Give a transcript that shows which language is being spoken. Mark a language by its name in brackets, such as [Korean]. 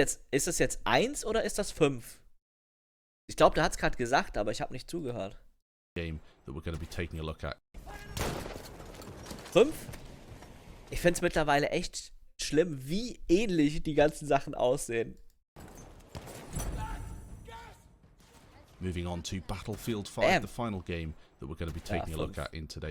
[German] Ist das jetzt 1 oder ist das 5? Ich glaube, der hat's gerade gesagt, aber ich habe nicht zugehört. [English] Game that we're going to be taking a look at. [German] 5? Ich find's mittlerweile echt schlimm, wie ähnlich die ganzen Sachen aussehen. [English] Moving on to Battlefield 5, the final game that we're going to be taking a look at in today.